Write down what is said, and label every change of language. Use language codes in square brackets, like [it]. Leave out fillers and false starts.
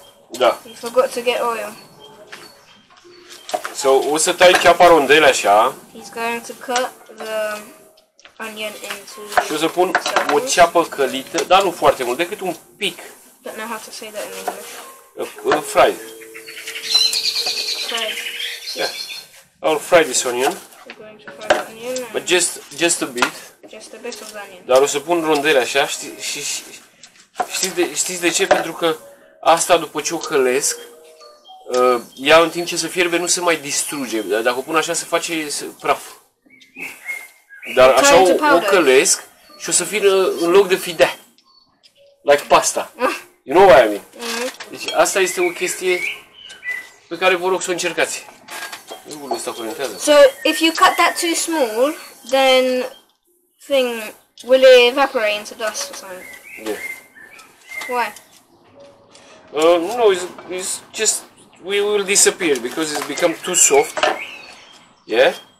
[ro] Da. [en] You forgot to get oil. [ro] So, o să tai ceapa rondele așa. [en] He's going to cut the onion into. [ro] Și o să pun [en] circles. [ro] O ceapă călită, dar nu foarte mult, decât un pic. [en] Don't know how to say that in English. Fried. Fried. Yeah. I'll fry this onion. We're going to fry the onion. But just a bit. Just a bit of onion. [ro] Dar o să pun rondele așa, știți de ce? Pentru că asta, după ce o călesc, ea în timp ce se fierbe nu se mai distruge. Dacă o pun așa, se face praf. Dar așa o călesc și o să fie în loc de fidea. [en] Like pasta. You know what I mean? [ro] Deci asta este o chestie pe care vă rog să o încercați. Ungul ăsta curentează. [en] So, if you cut that too small, then thing will it evaporate into dust or something? Yeah. Why? No, it's just we will disappear because it's become too soft. Yeah?